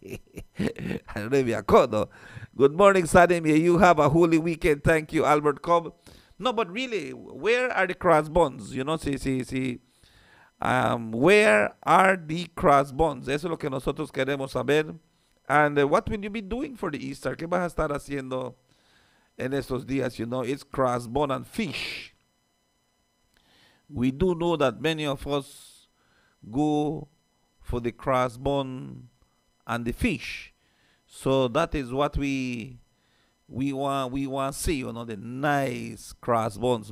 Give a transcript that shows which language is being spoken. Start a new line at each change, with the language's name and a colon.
English: I don't know if you're caught, though. Good morning, Sadie. You have a holy weekend. Thank you, Albert Cobb. No, but really, where are the crossbones? You know, see. Where are the crossbones?
Spanish: Eso es lo que nosotros queremos saber.
English: And what will you be doing for the Easter?
Spanish: ¿Qué vas a estar haciendo en estos días?
English: You know, it's crossbone and fish. We do know that many of us go for the crossbone and the fish. So that is what we want to see, you know, the nice crossbones.